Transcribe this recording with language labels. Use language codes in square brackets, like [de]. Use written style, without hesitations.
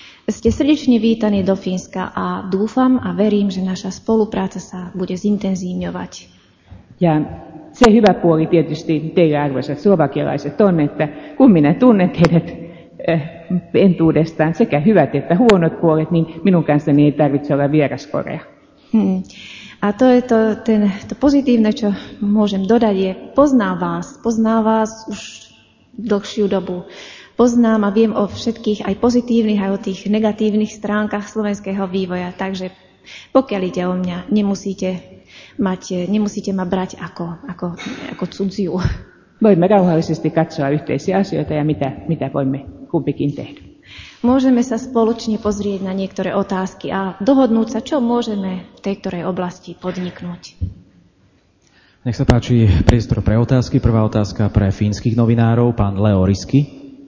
[sk] Ste srdečne vítaní do Fínska a dúfam a verím, že naša spolupráca sa bude zintenzívňovať. [fi] Ja se hyvä puoli tietysti teille, arvoisat slovakialaiset, on, että kun minä tunnen teidät entuudestaan sekä hyvät että huonot puolet, niin minun kanssani ei tarvitse olla vieras Korea. [sk] A to je to pozitívne, čo môžem dodať, je poznám vás už dlhšiu dobu. Poznám a viem o všetkých aj pozitívnych, aj o tých negatívnych stránkach slovenského vývoja. Takže pokiaľ ide o mňa, nemusíte ma brať ako cudziu. [fi] Voimme rauhallisesti katsoa yhteisiä asioita ja mitä voimme kumpikin tehdä. [sk] Môžeme sa spoločne pozrieť na niektoré otázky a dohodnúť sa, čo môžeme v tej ktorej oblasti podniknúť. Nech sa páči, priestor pre otázky. Prvá otázka pre fínskych novinárov, pán Leo Riski.